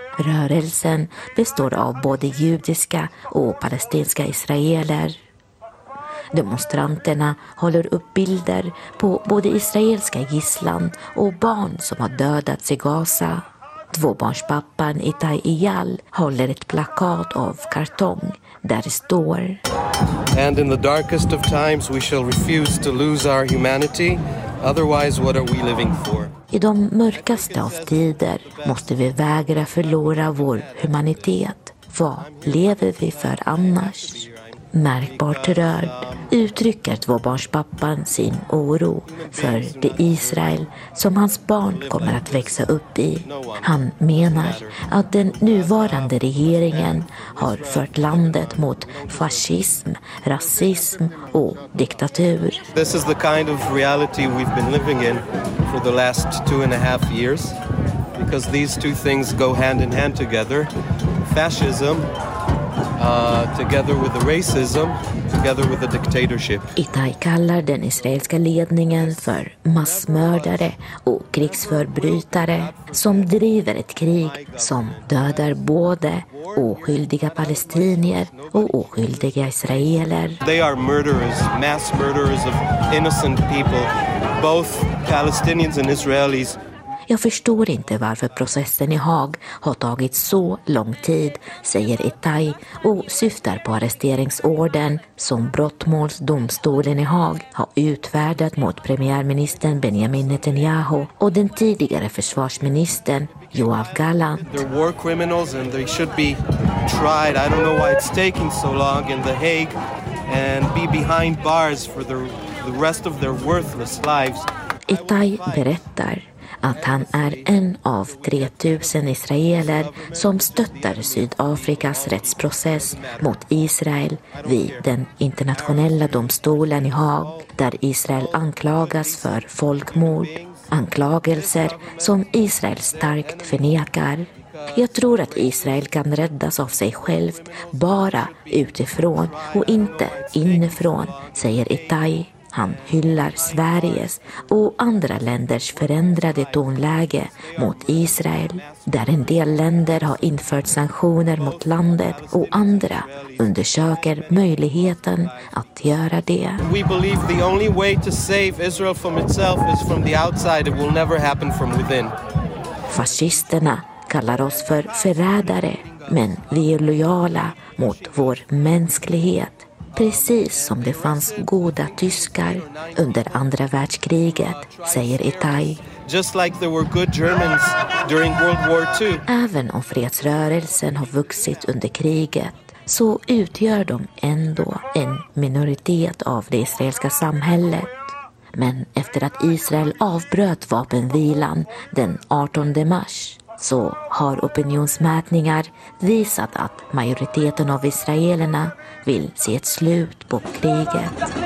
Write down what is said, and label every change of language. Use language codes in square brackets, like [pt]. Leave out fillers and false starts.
[sv] Rörelsen består av både judiska och palestinska israeler. Demonstranterna håller upp bilder på både israeliska gisslan och barn som har dödats i Gaza. Tvåbarnspappan Itai Eyal håller ett plakat av kartong där det står: [en] And in the darkest of times we shall refuse to lose our humanity, otherwise what are we living for? [sv] I de mörkaste av tider måste vi vägra förlora vår humanitet. Vad lever vi för annars? Märkbart rörd uttrycker tvåbarnspappan sin oro för det Israel som hans barn kommer att växa upp i. Han menar att den nuvarande regeringen har fört landet mot fascism, rasism och diktatur. [en] This is the kind of reality we've been living in for the last 2.5 years, because these two things go hand in hand together. Fascism together with the racism, together with the dictatorship. [sv] Itai kallar den israeliska ledningen för massmördare och krigsförbrytare som driver ett krig som dödar både oskyldiga palestinier och oskyldiga israeler. [en] They are murderers, mass murderers of innocent people, both Palestinians and Israelis. [sv] Jag förstår inte varför processen i Haag har tagit så lång tid, säger Itai och syftar på arresteringsorden som brottmålsdomstolen i Haag har utfärdat mot premiärministern Benjamin Netanyahu och den tidigare försvarsministern Yoav Gallant. [en] They're war criminals and they should be tried. I don't know why it's taking so long in The Hague and be behind bars for the rest of their worthless lives. [sv] Itai berättar att han är en av 3000 israeler som stöttar Sydafrikas rättsprocess mot Israel vid den internationella domstolen i Haag, där Israel anklagas för folkmord. Anklagelser som Israel starkt förnekar. Jag tror att Israel kan räddas av sig självt bara utifrån och inte inifrån, säger Itai. Han hyllar Sveriges och andra länders förändrade tonläge mot Israel, där en del länder har infört sanktioner mot landet och andra undersöker möjligheten att göra det. [en] We believe the only way to save Israel from itself is from the outside. It will never happen from within. [sv] Fascisterna kallar oss för förrädare, men vi är lojala mot vår mänsklighet. Precis som det fanns goda tyskar under andra världskriget, säger Itai. [en] Just like there were good Germans during World War II. [sv] Även om fredsrörelsen har vuxit under kriget så utgör de ändå en minoritet av det israeliska samhället. Men efter att Israel avbröt vapenvilan den 18 mars så har opinionsmätningar visat att majoriteten av israelerna vill se ett slut på kriget.